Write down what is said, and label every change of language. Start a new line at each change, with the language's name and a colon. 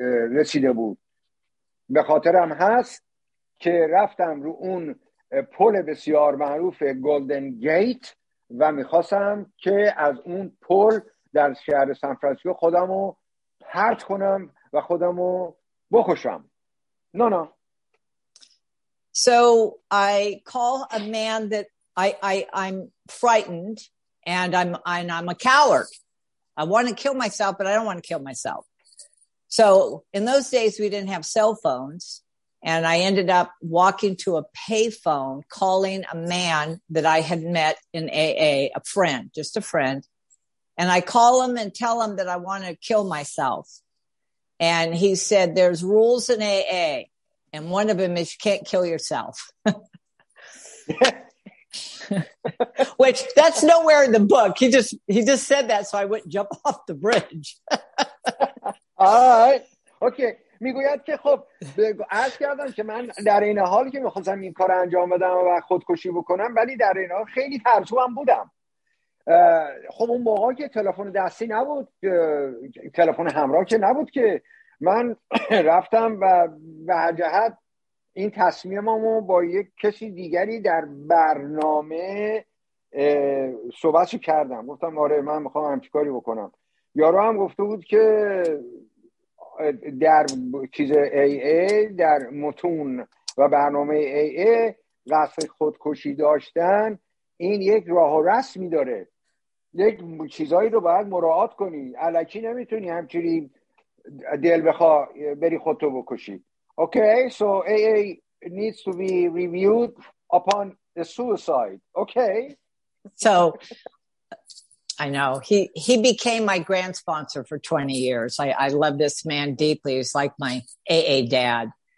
Persian: رسیده بود. به خاطرم هست که رفتم رو اون پل بسیار معروف گلدن گیت و میخواستم که از اون پل در شهر سانفرانسیسکو خودمو پرت کنم و خودمو بکشم. نه نه.
English: So I call a man that I'm frightened and I'm a coward. I want to kill myself, but I don't want to kill myself. So in those days, we didn't have cell phones. And I ended up walking to a payphone, calling a man that I had met in AA, a friend, just a friend. And I call him and tell him that I want to kill myself. And he said, there's rules in AA. And one of them is you can't kill yourself. Which that's nowhere in the book. He just said that so I wouldn't jump off the bridge. All right. Okay.
Persian: میگوید که خب عرض کردم که من در این حال که میخواستم این کار انجام بدم و خودکشی بکنم، ولی در این حال خیلی ترسوام بودم. خب اون موقع که تلفن دستی نبود، تلفن همراه که نبود، که من رفتم و به هر جهت این تصمیممو با یک کسی دیگری در برنامه صحبتش کردم. گفتم آره من میخوام همچی کاری بکنم. یارو هم گفته بود که در چیز AA، در متون و برنامه AA قصد خودکشی داشتن این یک راه و رسمی داره، یک چیزایی رو باید مراعات کنی، الکی نمیتونی همچنی دل بخواه بری خودتو بکشی.
English: Okay, so AA needs to be reviewed upon the suicide. Okay. So I know. He became my grand sponsor for 20 years. I love this man deeply. He's like my AA dad.